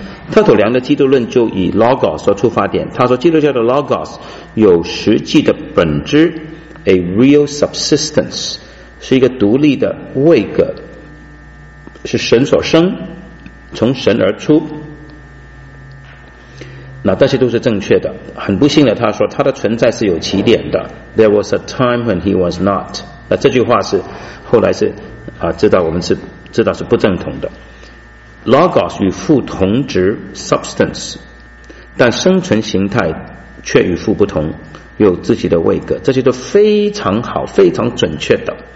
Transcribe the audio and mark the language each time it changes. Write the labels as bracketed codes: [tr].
[zh] 特土良的基督论就以 Logos 做出发点，他说基督教的 Logos 有实际的本质， [en] A real subsistence [zh] 是一个独立的位格，是神所生，从神而出。那这些都是正确的。很不幸的，他说他的存在是有起点的。 [en] There was a time when he was not。 [zh] 那这句话是后来是知道我们是知道是不正统的。 Logos 与父同质 substance， 但生存形态却与父不同。有自己的位格，这些都非常好，非常准确的。